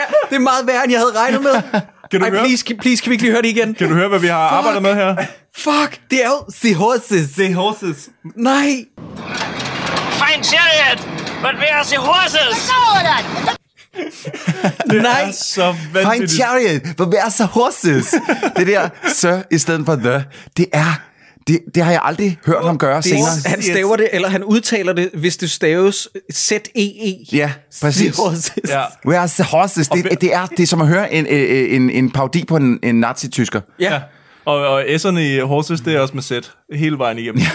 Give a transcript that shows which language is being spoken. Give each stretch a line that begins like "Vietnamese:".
Danish: Det er meget værre, end jeg havde regnet med. Kan du høre? Please, kan vi ikke lige høre det igen? Kan du høre, hvad vi har arbejdet med her? Fuck, det er jo
English: the horses. The horses.
Danish: Nej.
English: Fine chariot, but where are the horses?
Danish: Det er nej. Så vanvittigt.
English: Fine chariot, but where are the horses?
Danish: Det der sir i stedet for
English: the,
Danish: det er... Det har jeg aldrig hørt ham gøre senere. Han staver det, eller han udtaler det, hvis det staves Z-E-E. Ja, præcis.
English: Where are the horses?
Danish: Det er som at høre en parodi på en nazi-tysker. Ja. Og S'erne i horses, det er også med Z hele vejen igennem.